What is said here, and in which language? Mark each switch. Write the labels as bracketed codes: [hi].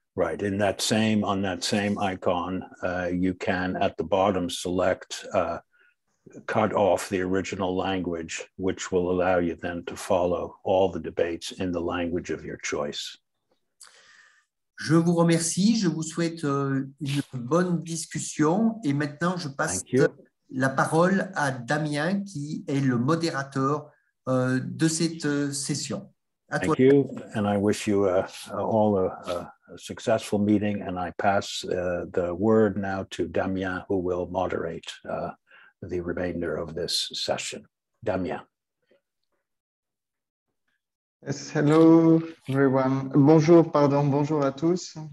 [en] Right, in that same on that same icon, you can at the bottom select cut off the original language, which will allow you then to follow all the debates in the language of your choice. [fr] Je vous remercie, je vous souhaite une bonne discussion et maintenant je passe la parole à Damien qui est le modérateur de cette session. À toi. [en] Thank you and I wish you all a successful meeting and I pass the word now to Damien who will moderate the remainder of this session. Damien. Yes, hello everyone. [fr] Bonjour à tous.